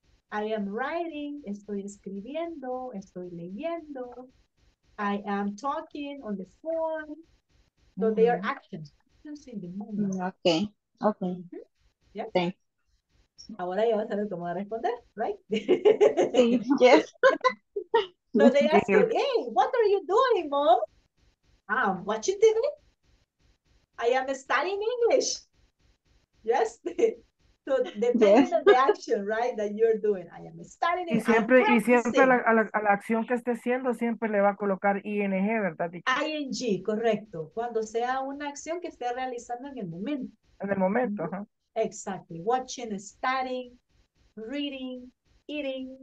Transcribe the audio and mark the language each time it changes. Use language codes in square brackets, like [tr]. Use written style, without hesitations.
[en] I am writing, [es] estoy escribiendo, estoy leyendo. [en] I am talking on the phone. So uh-huh. they are actions. Actions in the moment. Okay. Uh-huh. Yeah. Thanks. [es] Ahora ya vas a ver cómo va a responder, [en] right? [es] Sí, [en] yes. So they ask you, hey, what are you doing, mom? What you doing? I am studying English. Yes. So depends on the action, right, that you're doing. I am studying English. [es] Y siempre a la acción que esté haciendo, siempre le va a colocar ING, [en] ¿verdad? [es] ING, correcto. Cuando sea una acción que esté realizando en el momento. En el momento, ajá. [en] Exactly. Watching, studying, reading, eating.